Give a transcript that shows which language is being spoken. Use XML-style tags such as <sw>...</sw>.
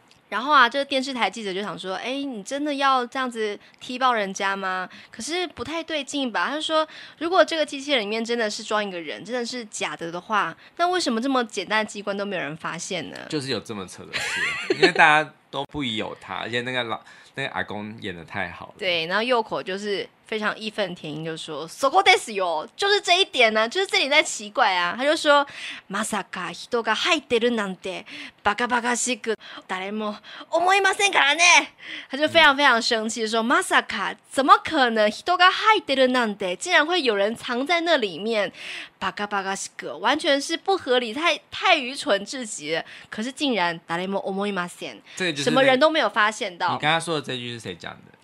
<zh>然后啊，这个电视台记者就想说，哎，你真的要这样子踢爆人家吗？可是不太对劲吧？他就说，如果这个机器人里面真的是装一个人，真的是假的话，那为什么这么简单的机关都没有人发现呢？就是有这么扯的事，因为大家都不疑有他，而且那个阿公演得太好了。对，然后Yoko就是非常义愤填膺，就说</zh> <ja>そこですよ，</ja> <zh>就是这一点呢，啊，就是这里在奇怪啊。他就说</zh> <ja>まさか人が入ってるなんてバカバカしく誰も思いませんからね。</ja> <zh>他就非常非常生气，说</zh> <ja>まさか</ja> <zh>怎么可能</zh> <ja>人が入ってるなんて，</ja> <zh>竟然会有人藏在那里面，</zh> <ja>バカバカしく</ja> <zh>完全是不合理，太愚蠢至极了。可是竟然</zh> <ja>誰も思いません，</ja> <zh>这就是什么人都没有发现到。你刚刚说的这句是谁讲的？</zh>